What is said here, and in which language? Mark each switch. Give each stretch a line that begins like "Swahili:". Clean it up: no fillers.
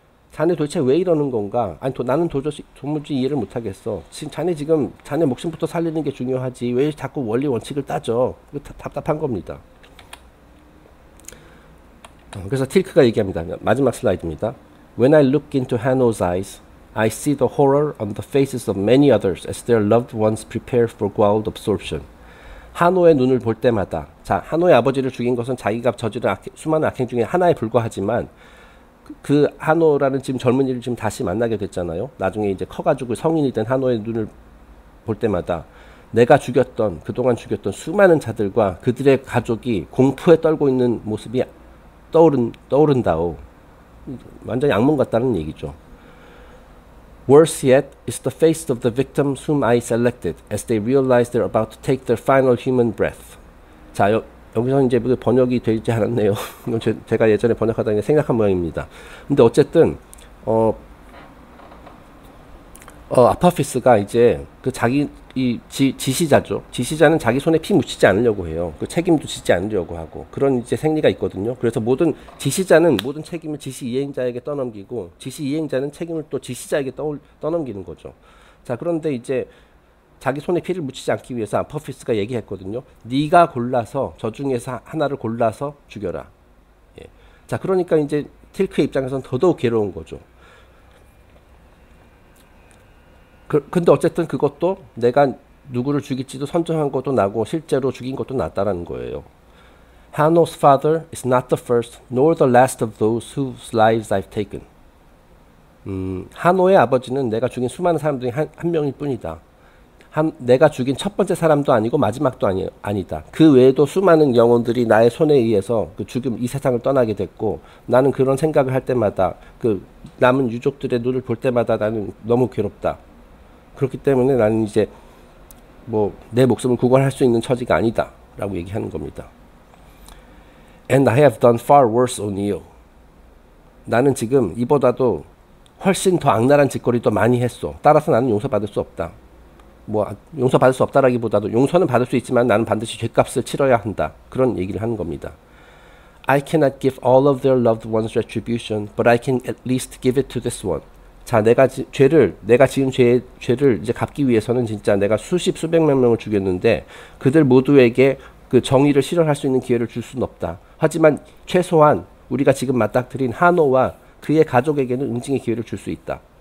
Korean: 자네 도대체 왜 이러는 건가? 아니, 나는 도무지 이해를 못 하겠어. 지금 자네 목숨부터 살리는 게 중요하지. 왜 자꾸 원리 원칙을 따져? 답답한 겁니다. 그래서 틸크가 얘기합니다. 마지막 슬라이드입니다.
English: When I look into Hanno's eyes, I see the horror on the faces of many others as their loved ones prepare for world absorption.
Korean: 한호의 눈을 볼 때마다, 자, 한호의 아버지를 죽인 것은 자기가 저지른 수많은 악행 중에 하나에 불과하지만, 그 한호라는 지금 젊은이를 지금 다시 만나게 됐잖아요. 나중에 이제 커가지고 성인이 된 한호의 눈을 볼 때마다, 그동안 죽였던 수많은 자들과 그들의 가족이 공포에 떨고 있는 모습이 떠오른다오. 완전히 악몽 같다는 얘기죠.
English: Worse yet is the face of the victims whom I selected as they realize they're about to take their final human breath. 자,
Korean: 여기서 이제 번역이 되지 않았네요. 제가 예전에 번역하다는 게 생략한 모양입니다. 근데 어쨌든 아파피스가 이제 그 자기 이 지시자죠. 지시자는 자기 손에 피 묻히지 않으려고 해요. 그 책임도 지지 않으려고 하고 그런 이제 생리가 있거든요. 그래서 모든 지시자는 모든 책임을 지시 이행자에게 떠넘기고 지시 이행자는 책임을 또 지시자에게 떠넘기는 거죠. 자, 그런데 이제 자기 손에 피를 묻히지 않기 위해서 아포피스가 얘기했거든요. 네가 골라서 저 중에서 하나를 골라서 죽여라. 자, 그러니까 이제 틸크의 입장에서는 더더욱 괴로운 거죠. 근데 어쨌든 그것도 내가 누구를 죽일지도 선정한 것도 나고 실제로 죽인 것도 낫다라는 거예요.
English: Hanno's father is not the first nor the last of those whose lives I've taken.
Korean: 하노의 아버지는 내가 죽인 수많은 사람 중에 한 명일 뿐이다. 내가 죽인 첫 번째 사람도 아니고 마지막도 아니다. 그 외에도 수많은 영혼들이 나의 손에 의해서 그 죽음 이 세상을 떠나게 됐고 나는 그런 생각을 할 때마다 그 남은 유족들의 눈을 볼 때마다 나는 너무 괴롭다. 그렇기 때문에 나는 이제 뭐내 목숨을 구걸할 수 있는 처지가 아니다라고 얘기하는 겁니다.
English: And I have done far worse on you.
Korean: 나는 지금 이보다도 훨씬 더 악랄한 짓거리 더 많이 했어. 따라서 나는 용서받을 수 없다. 뭐 용서받을 수 없다라기보다도 용서는 받을 수 있지만 나는 반드시 죗값을 치러야 한다. 그런 얘기를 하는 겁니다.
English: I cannot give all of their loved ones retribution, but I can at least give it to this one.
Korean: 자, 내가 지은 죄를 이제 갚기 위해서는 진짜 내가 수십 수백 명을 죽였는데 그들 모두에게 그 정의를 실현할 수 있는 기회를 줄 수는 없다. 하지만 최소한 우리가 지금 맞닥뜨린 하노와 그의 가족에게는 응징의 기회를 줄수 있다.